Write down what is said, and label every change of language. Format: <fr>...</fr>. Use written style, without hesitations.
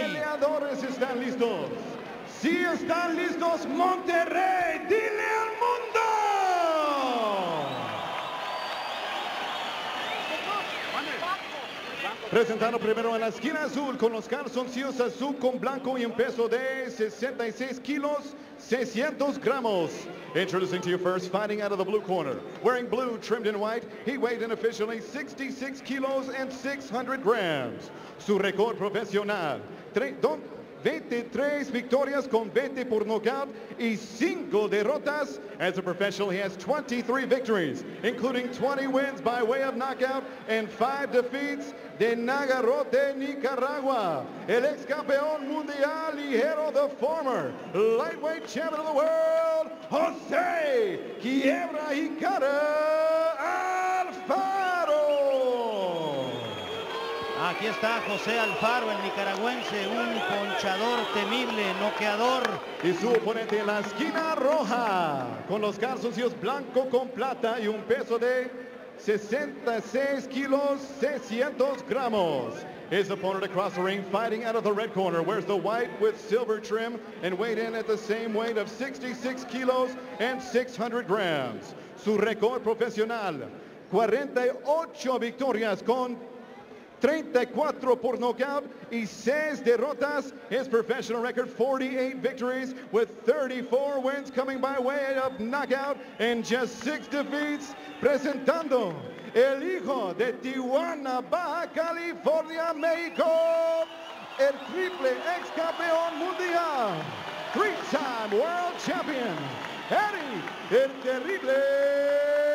<es>Y los peleadores están listos. Sí están listos, Monterrey, dile al mundo. Presentando primero en la esquina azul con los calzoncillos azul con blanco y un peso de 66 kilos, 600 gramos.</es> <en>Introducing to you first, fighting out of the blue corner. Wearing blue, trimmed in white, he weighed in officially 66 kilos and 600 grams.</en> <es>Su record profesional, 23 victorias con 20 por knockout y 5 derrotas.</es> <en>As a professional, he has 23 victories, including 20 wins by way of knockout and 5 defeats.</en> <es>De Nagarote, Nicaragua, el ex campeón mundial ligero,</es> <en>the former lightweight champion of the world,</en> <es>José Quiebra y Cara Alfaro. Aquí está José Alfaro, el nicaragüense, un ponchador temible, noqueador. Y su oponente en la esquina roja, con los calzoncillos blanco con plata y un peso de 66 kilos, 600 gramos.</es> <en>His opponent across the ring, fighting out of the red corner, wears the white with silver trim and weighed in at the same weight of 66 kilos and 600 grams.</en> <es>Su record profesional, 48 victorias con 34 por knockout y 6 derrotas.</es> <en>His professional record, 48 victories with 34 wins coming by way of knockout and just 6 defeats.</en> <es>Presentando el hijo de Tijuana, Baja California, México, el triple ex campeón mundial,</es> <en>3-time world champion,</en> <es>Eddie, el terrible</es>